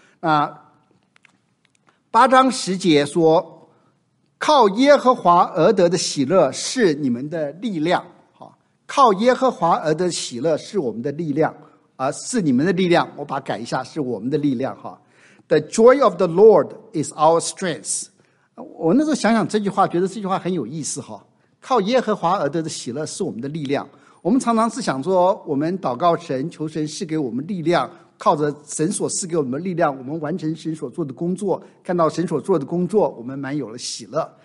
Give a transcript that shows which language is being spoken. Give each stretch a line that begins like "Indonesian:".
Chinese: 那八章十节说，靠耶和华而得的喜乐是你们的力量。靠耶和华而得的喜乐是我们的力量，是你们的力量，我把它改一下，是我们的力量。
English: The joy of the Lord is our strength.
Chinese: 我那时候想想这句话，觉得这句话很有意思。靠耶和华而得的喜乐是我们的力量。我们常常是想说，我们祷告神，求神赐给我们力量，靠着神所赐给我们的力量，我们完成神所做的工作，看到神所做的工作，我们满有了喜乐。